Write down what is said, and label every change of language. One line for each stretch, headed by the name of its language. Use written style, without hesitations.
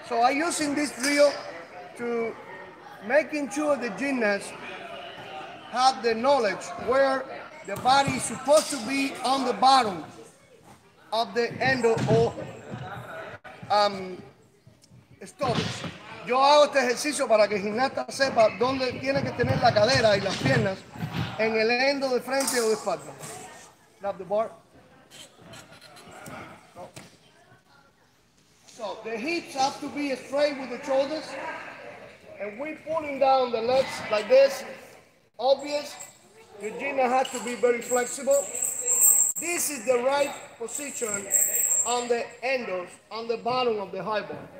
English: So I'm using this drill to making sure the gymnasts have the knowledge where the body is supposed to be on the bottom of the endo or stadelr.
Spanish: Yo hago este ejercicio para que el gimnasta sepa dónde tiene que tener la cadera y las piernas en el endo de frente o de espalda.
English: Grab the bar. So the hips have to be straight with the shoulders, and we're pulling down the legs like this. Obvious, the gymnast has to be very flexible. This is the right position on the endos, on the bottom of the high bar.